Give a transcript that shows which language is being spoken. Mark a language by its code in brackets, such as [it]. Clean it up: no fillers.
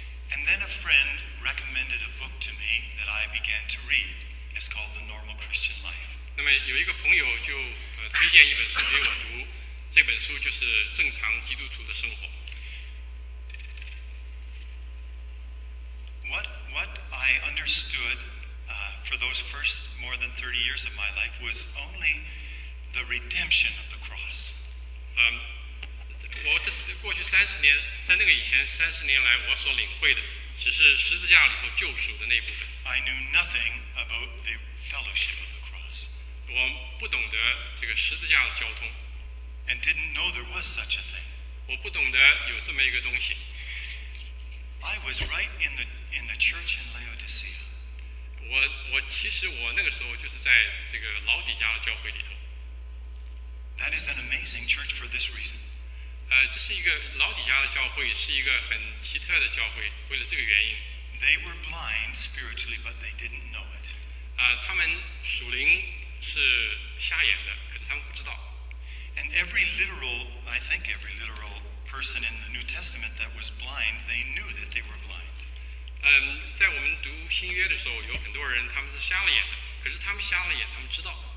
[en] And then a friend recommended a book to me that I began to read. It's called The Normal Christian Life. [zh] 那么有一个朋友就推荐一本书给我读，这本书就是《正常基督徒的生活》。 [en] What I understood for those first more than 30 years of my life was only the redemption of the cross. [zh] 我这是过去三十年，在那个以前三十年来，我所领会的只是十字架里头救赎的那部分。 [en] I knew nothing about the fellowship of the cross. [zh] 我不懂得这个十字架的交通。 [en] And didn't know there was such a thing. [zh] 我不懂得有这么一个东西。 [en] I was right in the church in Laodicea. [zh] 我其实我那个时候就是在这个老底家的教会里头。 [en] That is an amazing church for this reason. [zh] 这是一个老底家的教会，是一个很奇特的教会，为了这个原因。 [en] They were blind spiritually, but they didn't know it. [zh] 他们属灵是瞎眼的，可是他们不知道。 [en] And I think every literal person in the New Testament that was blind, they knew that they were blind. [zh] 在我们读新约的时候，有很多人他们是瞎了眼的，可是他们瞎了眼，他们知道。